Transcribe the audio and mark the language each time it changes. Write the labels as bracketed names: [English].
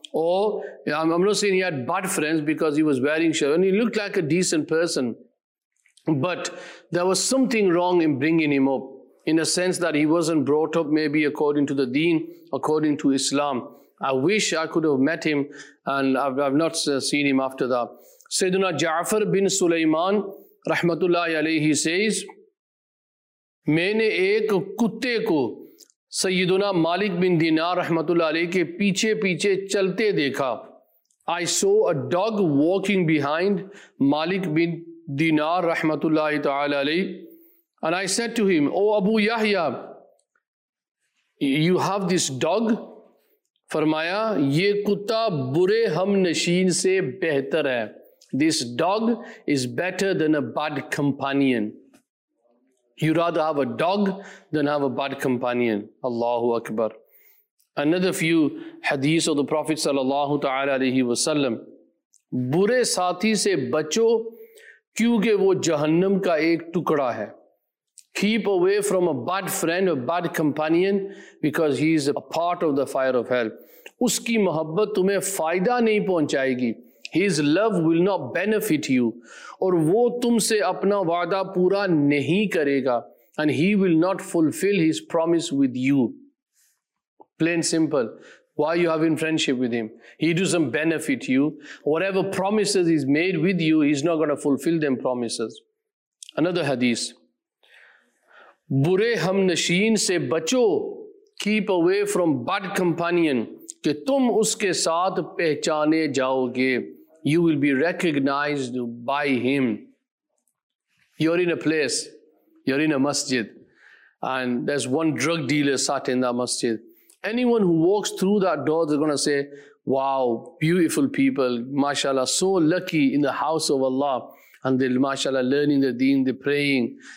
[English] Or I'm not saying he had bad friends, because he was wearing shirt and he looked like a decent person. But there was something wrong in bringing him up, in a sense that he wasn't brought up maybe according to the deen, according to Islam. I wish I could have met him, and I've not seen him after that. [Urdu] Sayyidina Ja'far bin Sulaiman رحمت اللہ علیہ says, میں نے ایک کتے کو سیدنا مالک بن دینار رحمت اللہ علیہ کے پیچھے پیچھے چلتے دیکھا. [English] I saw a dog walking behind مالک بن دینار رحمت اللہ تعالی علیہ. And I said to him, او ابو یحیٰ, you have this dog? [Urdu] فرمایا, یہ کتا برے ہم نشین سے بہتر ہے. [English] This dog is better than a bad companion. You rather have a dog than have a bad companion. Allahu Akbar. Another few hadiths of the Prophet sallallahu ta'ala alayhi wa sallam. [Urdu] Bure saathi se bacho, kyunke wo jahannam ka ek tukda hai. [English] Keep away from a bad friend or bad companion, because he is a part of the fire of hell. [Urdu] Uski mohabbat tumhe fayda nahi pahunchayegi. [English] His love will not benefit you. [Urdu] اور وہ تم سے اپنا وعدہ پورا نہیں کرے گا. [English] And he will not fulfill his promise with you. Plain simple. Why are you having friendship with him? He doesn't benefit you. Whatever promises he's made with you, he's not going to fulfill them promises. Another hadith. [Urdu] برے ہم نشین سے بچو, [English] keep away from bad companion, [Urdu] کہ تم اس کے ساتھ پہچانے جاؤ گے. [English] You will be recognized by him. You're in a place, you're in a masjid, and there's one drug dealer sat in that masjid. Anyone who walks through that door, they're going to say, wow, beautiful people, mashallah, so lucky in the house of Allah, and they're mashallah learning the deen, they're praying.